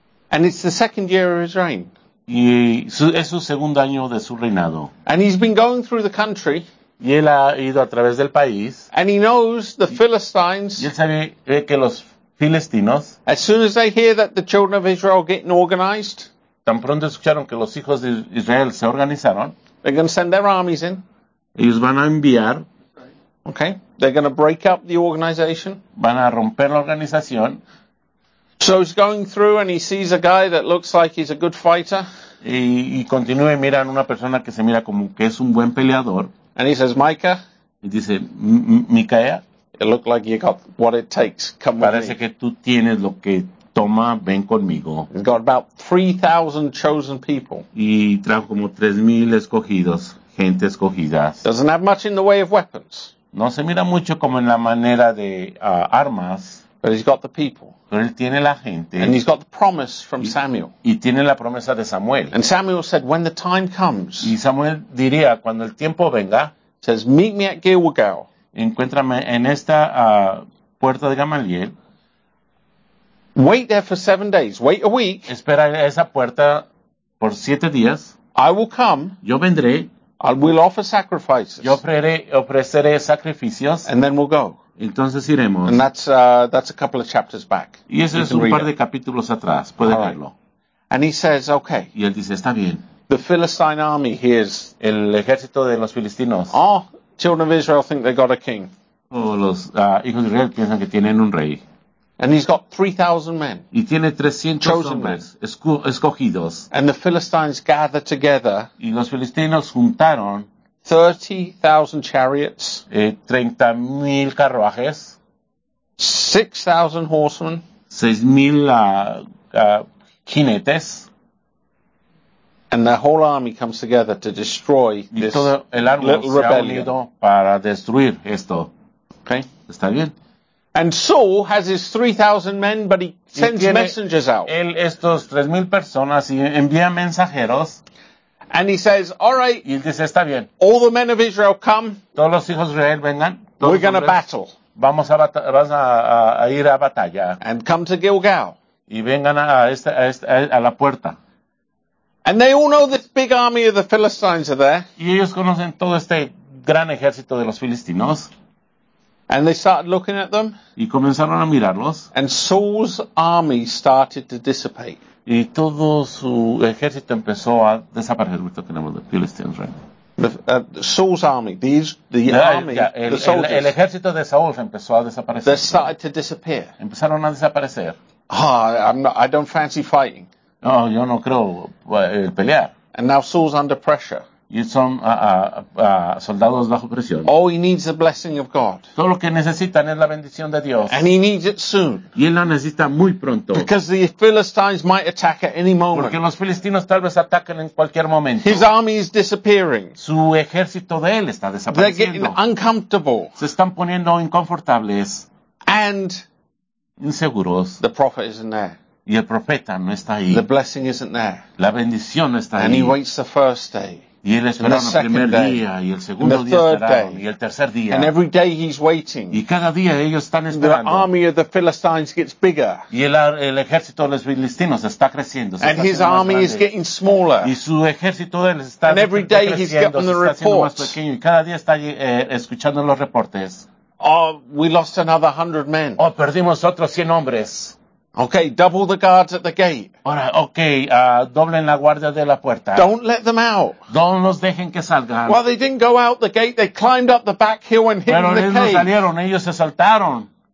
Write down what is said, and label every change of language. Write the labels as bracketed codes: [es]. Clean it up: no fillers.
[en] And it's the second year of his reign. [es] Y es su segundo año de su reinado. [en] And he's been going through the country. [es] Y él ha ido a través del país. [en] And he knows the Philistines. [es] Y él sabe que los filistinos. [en] As soon as they hear that the children of Israel are getting organized. [es] Tan pronto escucharon que los hijos de Israel se organizaron. [en] They're going to send their armies in. [es] Ellos van a enviar. [en] Okay. They're going to break up the organization. [es] Van a romper la organización. [en] So he's going through and he sees a guy that looks like he's a good fighter. [es] Y continúa y mira en una persona que se mira como que es un buen peleador. [en] And he says, Micah. [es] Y dice, Micaiah. [en] It looked like you got what it takes. Come [es] parece [en] with me. [es] Parece que tú tienes lo que toma, ven conmigo. [en] He's got about 3,000 chosen people. [es] Y trajo como 3,000 escogidos, gente escogida. [en] Doesn't have much in the way of weapons. [es] No se mira mucho como en la manera de armas. [en] But he's got the people. [es] Pero él tiene la gente. [en] And he's got the promise from Samuel. [es] Y tiene la promesa de Samuel. [en] And Samuel said, when the time comes. [es] Y Samuel diría, cuando el tiempo venga. [en] Says, meet me at Gilgal. [es] Encuéntrame en esta puerta de Gamaliel. [en] Wait there for 7 days. Wait a week. [es] Espera esa puerta por 7 días. [en] I will come. [es] Yo vendré. [en] I will offer sacrifices. [es] Yo ofreceré sacrificios. [en] And then we'll go. [es] Entonces iremos. [en] And that's a couple of chapters back. [es] Y eso es un par de capítulos atrás. Puede verlo. [en] And he says, okay. [es] Y él dice, está bien. [en] The Philistine army hears. [es] El ejército de los filistinos. [en] Oh, children of Israel think they got a king. [es] Oh, los hijos de Israel piensan que tienen un rey. [en] And he's got 3,000 men. [es] Y tiene 300 chosen hombres escogidos. [en] And the Philistines gather together. [es] Y los filisteos juntaron. [en] 30,000 chariots. [es] 30,000 carruajes. [en] 6,000 horsemen. [es] 6,000 jinetes. [en] And the whole army comes together to destroy this little rebellion. [es] Y todo el árbol se ha unido para destruir esto. [en] Okay. [es] Está bien. [en] And Saul has his 3,000 men, but he sends messengers out. [es] Él estos 3,000 personas y envía mensajeros. [en] And he says, all right. [es] Y él dice, está bien. [en] All the men of Israel come. [es] Todos los hijos de Israel vengan. [en] We're going to battle. [es] Vamos a ir a batalla. [en] And come to Gilgal. [es] Y vengan a la puerta. [en] And they all know this big army of the Philistines are there. [es] Y ellos conocen todo este gran ejército de los filistinos. [en] And they started looking at them. [es] Y comenzaron a mirarlos. [en] And Saul's army started to dissipate. [es] Y todo su ejército empezó a desaparecer. [en] We're talking about the Philistines, right? The Saul's army, [es] el ejército de Saúl empezó a desaparecer. [en] They started to disappear. [es] Empezaron a desaparecer. [en] I don't fancy fighting. [es] No, yo no creo pelear. [en] And now Saul's under pressure. [es] Y son soldados bajo presión. [en] All he needs the blessing of God. [es] Todo lo que necesitan es la bendición de Dios. [en] And he needs it soon. [es] Y él la necesita muy pronto. [en] Because the Philistines might attack at any moment. [es] Porque los filisteos tal vez ataquen en cualquier momento. [en] His army is disappearing. [es] Su ejército de él está desapareciendo. [en] They're getting uncomfortable. [es] Se están poniendo inconfortables. [en] And [es] inseguros. [en] The prophet isn't there. [es] Y el profeta no está ahí. [en] The blessing isn't there. [es] La bendición no está [en] and [es] ahí. [en] And he waits the first day. [es] Y él esperó el primer día y el segundo día esperaron y el tercer día. [en] And every day he's waiting. [es] Y cada día ellos están esperando. [en] The army of the Philistines gets bigger. [es] Y el ejército de los filisteos está creciendo. [en] And his army is getting smaller. [es] Y su ejército de él está creciendo. [en] And every day he's getting the reports. [es] Y cada día está escuchando los reportes. [en] Oh, we lost another 100 men. [es] Oh, perdimos otros 100 hombres. [en] Okay, double the guards at the gate. [es] Ahora, okay, doblen la guardia de la puerta. [en] Don't let them out. [es] No los dejen que salgan. [en] Well, they didn't go out the gate. They climbed up the back hill and hid in the cave. [es] Pero ellos no salieron, ellos se saltaron.